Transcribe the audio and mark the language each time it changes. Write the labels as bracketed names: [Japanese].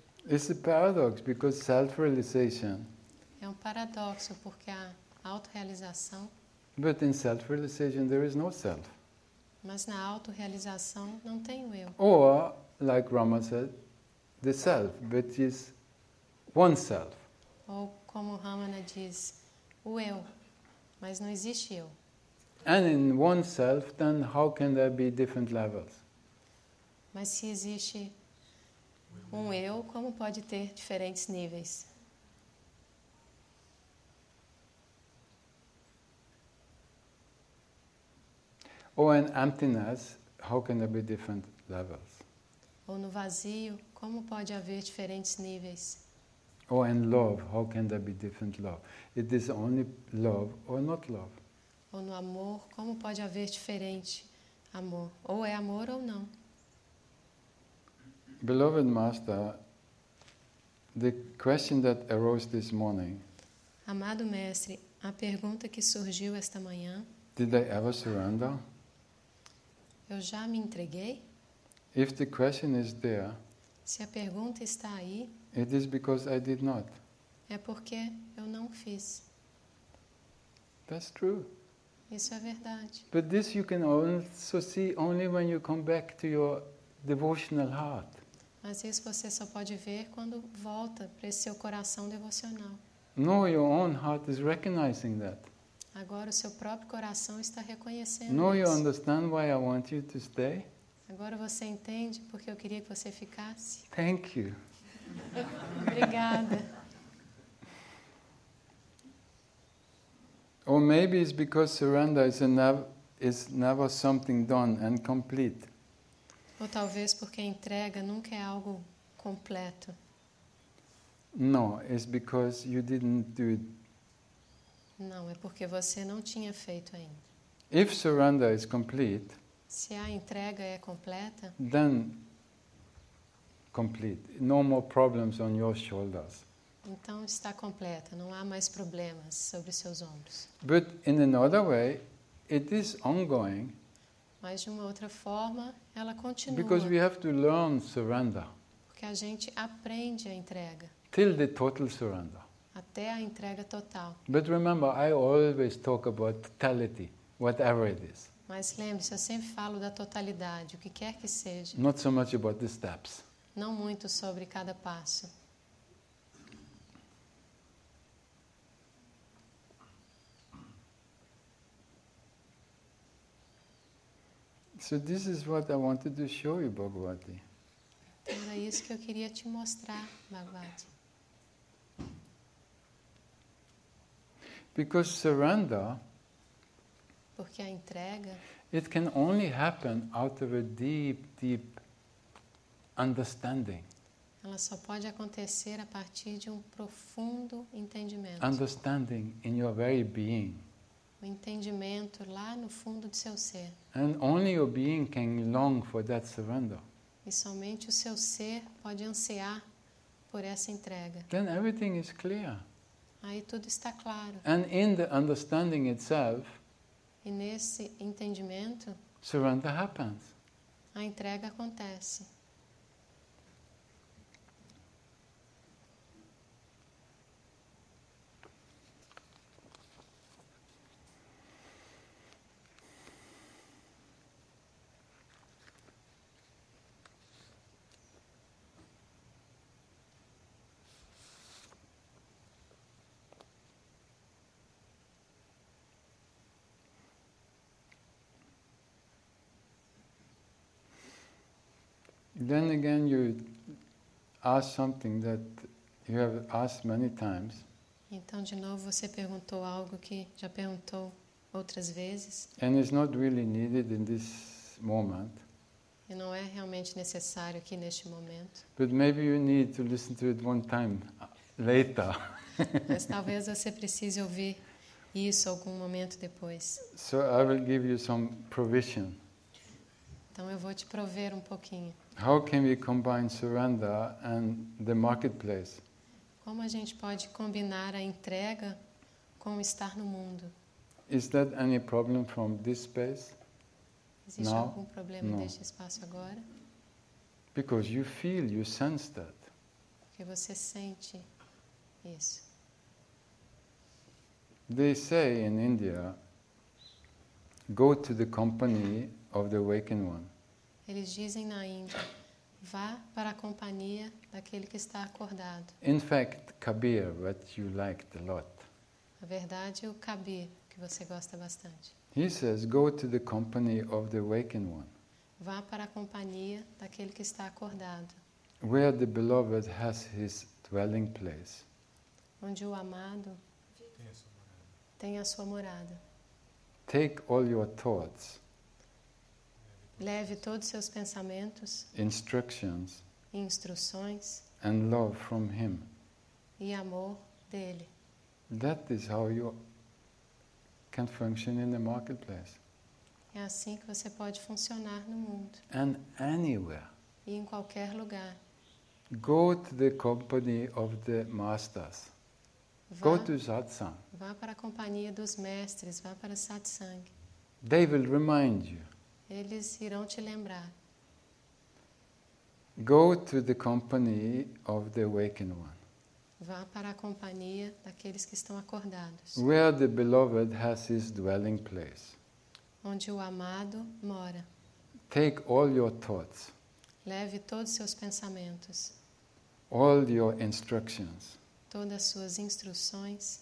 [English] It's a paradox because self-realization. [Portuguese] É um paradoxo porque a auto-realização. [English] But in self-realization there is no self. [Portuguese] Mas na auto-realização não tem o eu. [English] Or, like Rama said, the self, but is one self. [Portuguese] Ou como Ramana diz, o eu, mas não existe eu. [English] And in one self, then how can there be different levels? [Portuguese] Mas se existe um eu, como pode ter diferentes níveis? Ou em [English] emptiness, how can there be different levels? [Portuguese] Ou no vazio, como pode haver diferentes níveis? Ou em [English] love, how can there be different love? It is only love or not love. [Portuguese] Ou no amor, como pode haver diferente amor? Ou é amor ou não? [English] Beloved Master, the question that arose this morning. [Portuguese] Amado Mestre, a pergunta que surgiu esta manhã. [English] Did I ever surrender? [Portuguese] Eu já me entreguei? [English] If the question is there, [Portuguese] se a pergunta está aí, [English] it is because I did not. [Portuguese] É porque eu não fiz. [English] That's true. [Portuguese] Isso é verdade. [English] But this you can also see only when you come back to your devotional heart. [Portuguese] Mas isso você só pode ver quando volta para esse seu coração devocional. [English] No, your own heart is recognizing that. [Portuguese] Agora o seu próprio coração está reconhecendo isso. [English] No, you understand why I want you to stay? [Portuguese] Agora você entende porque eu queria que você ficasse. [English] Thank you. [Portuguese] Obrigada. [English] Or maybe it's because surrender is never something done and complete. [Portuguese] Ou talvez porque a entrega nunca é algo completo. [English] No, it's because you didn't do it. [Portuguese] Não, é porque você não tinha feito ainda. [English] If surrender is complete, [Portuguese] se a entrega é completa, [English] then complete. No more problems on your shoulders. [Portuguese] Então está completa, não há mais problemas sobre seus ombros. [English] But in another way, it is ongoing. [Portuguese] Mas de uma outra forma, ela continua. [English] Because we have to learn surrender. [Portuguese] Porque a gente aprende a entrega. [English] Till the total surrender. [Portuguese] Até a entrega total. [English] But remember, I always talk about totality, whatever it is. [Portuguese] Mas lembre-se, eu sempre falo da totalidade, o que quer que seja. [English] Not so much about the steps. [Portuguese] Não muito sobre cada passo. [English] So this is what I wanted to show you, Bhagavati. [Portuguese] Era isso que eu queria te mostrar, Bhagavati. [English] Because surrender, [Portuguese] porque a entrega, [English] it can only happen out of a deep, deep understanding. [Portuguese] Ela só pode acontecer a partir de um profundo entendimento. [English] Understanding in your very being. [Portuguese] O entendimento lá no fundo do seu ser. [English] And only your being can long for that surrender. [Portuguese] E somente o seu ser pode ansiar por essa entrega. [English] Then everything is clear. [Portuguese] Aí tudo está claro. [English] And in the understanding itself, [Portuguese] e nesse entendimento, [English] surrender happens. [Portuguese] A entrega acontece. [English] Then again, you ask something that you have asked many times. [Portuguese] Então, de novo, você perguntou algo que já perguntou outras vezes. [English] And it's not really needed in this moment. [Portuguese] E não é realmente necessário aqui neste momento. [English] But maybe you need to listen to it one time later. [Portuguese] Mas talvez você precise ouvir isso algum momento depois. [English] So I will give you some provision. [Portuguese] Então eu vou te prover um pouquinho. [English] How can we combine surrender and the marketplace? [Portuguese] Como a gente pode combinar a entrega com estar no mundo? [English] Is that any problem from this space? [Portuguese] Existe [English] now? [Portuguese] Algum problema neste espaço agora? [English] Because you feel, you sense that. [Portuguese] Porque você sente isso. [English] They say in India, go to the company of the awakened one. [Portuguese] Eles dizem na Índia, vá para a companhia daquele que está acordado. [English] In fact, Kabir, what you liked a lot. [Portuguese] Na verdade, o Kabir, que você gosta bastante. [English] He says, go to the company of the awakened one. [Portuguese] Vá para a companhia daquele que está acordado. [English] Where the beloved has his dwelling place. [Portuguese] Onde o amado tem a sua morada. [English] Take all your thoughts. [Portuguese] Leve todos os seus pensamentos, [English] instructions, [Portuguese] e instruções, [English] and love from him. [Portuguese] E amor dele. [English] That is how you can function in the marketplace. [Portuguese] É assim que você pode funcionar no mundo. [English] And anywhere. [Portuguese] E em qualquer lugar. [English] Go to the company of the masters. [Portuguese] Vá, [English] go to satsang. [Portuguese] Vá para a companhia dos mestres, vá para satsang. [English] They will remind you. [Portuguese] Eles irão te lembrar. [English] Go to the company of the awakened one. [Portuguese] Vá para a companhia daqueles que estão acordados. [English] Where the beloved has his dwelling place. [Portuguese] Onde o amado mora. [English] Take all your thoughts. [Portuguese] Leve todos os seus pensamentos. [English] All your instructions. [Portuguese] Todas as suas instruções.